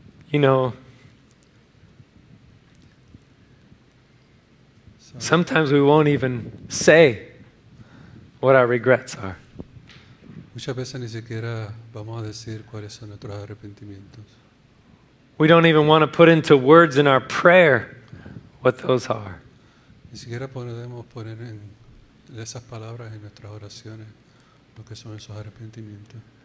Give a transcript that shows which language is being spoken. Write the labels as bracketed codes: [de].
[en] You know, sometimes we won't even say what our regrets are. [es] Muchas veces ni siquiera vamos a decir cuáles son nuestros arrepentimientos. [en] We don't even want to put into words in our prayer what those are. [es] Ni siquiera podemos poner en esas palabras en nuestras oraciones lo que son esos arrepentimientos.